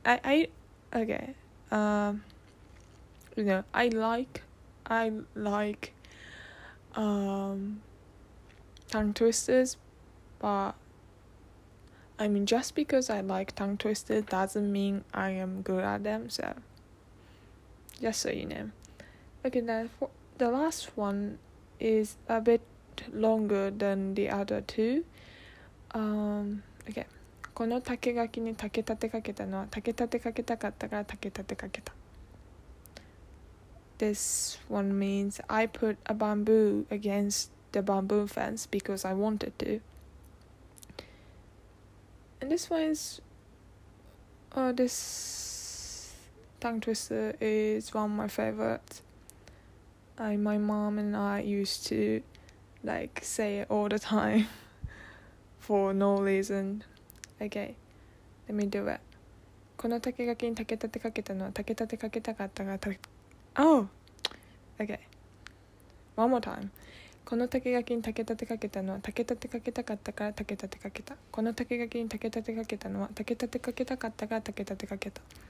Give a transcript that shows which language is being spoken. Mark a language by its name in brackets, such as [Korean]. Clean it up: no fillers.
[English] I like tongue twisters, but I mean, just because I like tongue twisters doesn't mean I am good at them, so just so you know. Okay, now the last one is a bit longer than the other two. Okay. [Japanese] この竹垣に竹立てかけたのは竹立てかけたかったから竹立てかけた。 [English] This one means I put a bamboo against the bamboo fence because I wanted to. And this one is, this tongue twister is one of my favorites. My mom and I used to like say it all the time for no reason. Okay, let me do it. [Japanese] この竹垣に竹立てかけたのは竹立てかけたかったが竹…Oh! [English] Okay. One more time. [Japanese] この竹垣に竹立てかけたのは竹立てかけたかったから竹立てかけた。この竹垣に竹立てかけたのは竹立てかけたかったが竹立てかけた。